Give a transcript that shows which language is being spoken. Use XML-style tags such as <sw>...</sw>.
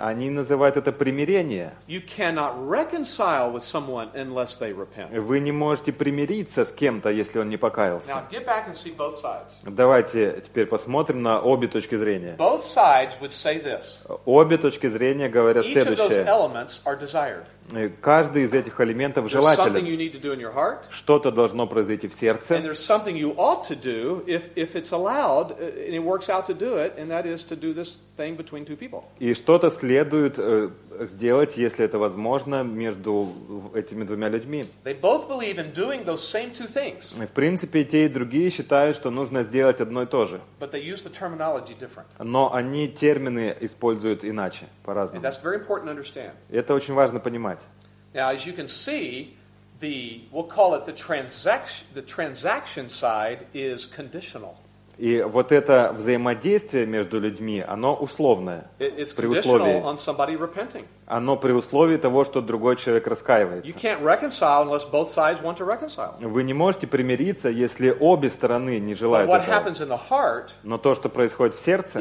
<ru>Они называют это примирение.</ru> <en>You cannot reconcile with someone unless they repent.</en> <ru>Вы не можете примириться с кем-то, если он не покаялся.</ru> <en>Now, get back and see both sides.</en> <ru>Давайте теперь посмотрим на обе точки зрения.</ru> <en>Both sides would say this.</en> <ru>Обе точки зрения говорят</ru> <en>Each</en> <ru>следующее.</ru> <en>Of those elements are desired.</en> <ru>Каждый из этих элементов желателен.</ru> <en>There's something you need to do in your heart,</en> <ru>что-то должно произойти в сердце.</ru> <en>And there's something you ought to do if it's allowed and it works out to do it, and that is to do this thing between two people.</en> <ru>И что-то следует сделать, если это возможно, между этими двумя людьми.</ru> <en>They both believe in doing those same two things.</en> <ru>В принципе, те и другие считают, что нужно сделать одно и то же.</ru> <en>But they use the terminology different.</en> <ru>Но они термины используют иначе, по-разному.</ru> <en>And that's very important to understand.</en> <ru>Это очень важно понимать.</ru> <en>Now, as you can see, the we'll call it the transaction side is conditional.</en> <ru>И вот это взаимодействие между людьми, оно условное,</ru> <en>It's</en> <ru>при условии.</ru> <en>On somebody repenting.</en> <ru>Оно при условии того, что другой человек раскаивается.</ru> <en>You can't reconcile unless both sides want to reconcile.</en> <ru>Вы не можете примириться, если обе стороны не желают</ru> <en>what</en> <ru>этого.</ru> <en>Happens in the heart</en> <ru>Но то, что происходит в сердце,</ru>